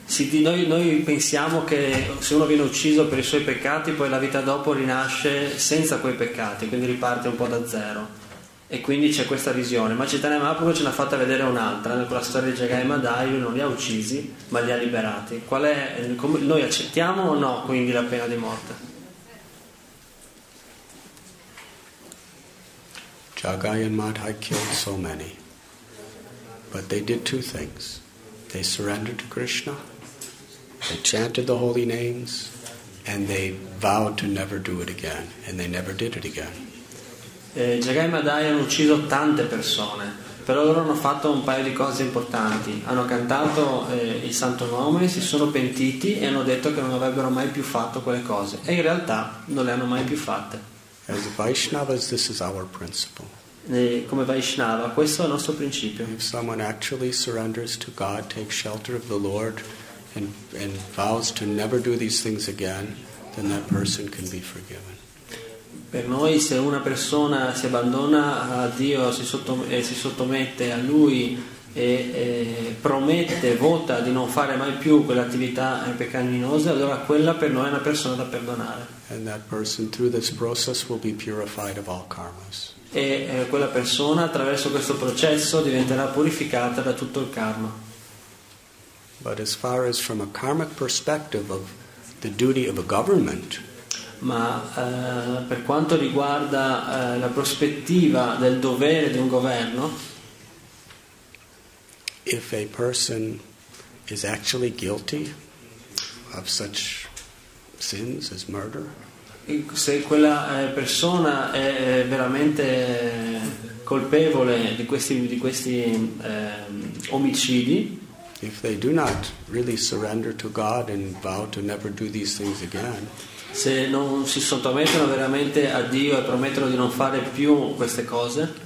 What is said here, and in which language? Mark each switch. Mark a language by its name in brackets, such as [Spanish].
[Italian] Noi pensiamo che se uno viene ucciso per i suoi peccati, poi la vita dopo rinasce senza quei peccati, quindi riparte un po' da zero. E quindi c'è questa visione, ma Chaitanya Mahaprabhu ce l'ha fatta vedere un'altra, con la storia di Jagai Madai, non li ha uccisi, ma li ha liberati. Qual è, noi accettiamo o no quindi la pena di morte? [English] Jagai and Madai killed so many, but they did two things. They surrendered to Krishna, they chanted the holy names, and they vowed to never do it again, and they never did it again. [Italian] Jagai Madai hanno ucciso tante persone, però loro hanno fatto un paio di cose importanti. Hanno cantato il santo nome, si sono pentiti e hanno detto che non avrebbero mai più fatto quelle cose. E in realtà non le hanno mai più fatte. [English] As Vaishnavas, this is our principle. [Italian] Come Vaishnava, questo è il nostro principio. [English] If someone actually surrenders to God, takes shelter of the Lord, and vows to never do these things again, then that person can be forgiven. [Italian] Per noi, se una persona si abbandona a Dio e si sottomette a Lui e promette, vota di non fare mai più quelle attività peccaminose, allora quella per noi è una persona da perdonare. [English] And that person, through this process, will be purified of all karmas. [Italian] E quella persona, attraverso questo processo, diventerà purificata da tutto il karma. [English] But as far as from a karmic perspective of the duty of a government, [Italian] ma per quanto riguarda la prospettiva del dovere di un governo, [English] if a person is actually guilty of such sins as murder, [Italian] se quella persona è veramente colpevole di questi omicidi, [English] if they do not really surrender to God and vow to never do these things again, [Italian] se non si sottomettono veramente a Dio e promettono di non fare più queste cose,